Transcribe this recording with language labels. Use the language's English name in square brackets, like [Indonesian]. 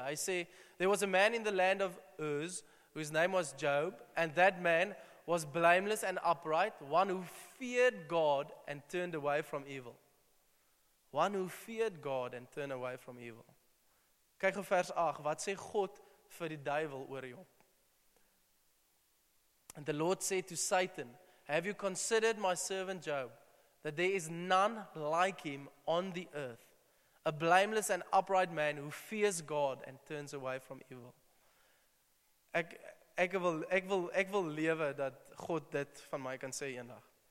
[Afrikaans] Hy sê [English] there was a man in the land of Uz whose name was Job and that man was blameless and upright, one who feared God and turned away from evil. One who feared God and turned away from evil. [Afrikaans] Kyk op vers 8, wat sê God vir die duivel oor Job? [English] And the Lord said to Satan, have you considered my servant Job, that there is none like him on the earth, a blameless and upright man who fears God and turns away from evil. [Afrikaans] Ek wil lewe dat God dit van my kan sê eendag.